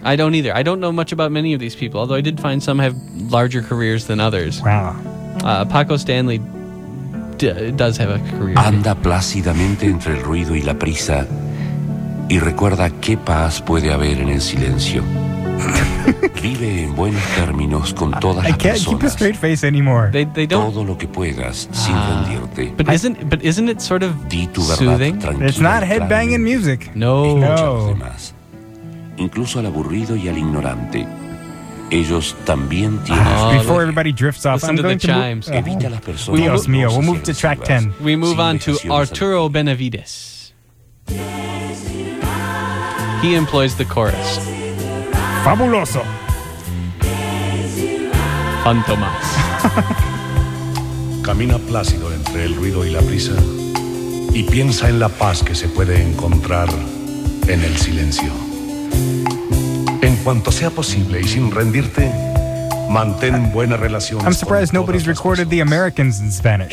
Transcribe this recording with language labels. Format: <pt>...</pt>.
<en>I don't know much about many of these people, although I did find some have larger careers than others. Wow. Paco Stanley does have a career.</en> <es>Anda plácidamente entre el ruido y la prisa y recuerda qué paz puede haber en el silencio. Vive en buenos términos con todas las personas.</es> <en>I can't keep a straight face anymore. They don't.</en> <es>Todo lo que puedas sin rendirte.</es> <en>But isn't it sort of soothing? It's not headbanging music. No.</en> <es>Incluso al aburrido y al ignorante, ellos también tienen.</es> <en>Before everybody drifts off, listen to the chimes.</en> <es>Evita las personas. Dios mío,</es> <en>we'll move to track 10. We move on to Arturo Benavides. He employs the chorus.</en> <es>Fabuloso. Fantomas. Camina plácido entre el ruido y la prisa y piensa en la paz que se puede encontrar en el silencio. En cuanto sea posible y sin rendirte, mantén buena relación.</es> <en>I'm surprised nobody's recorded the Americans in Spanish.</en>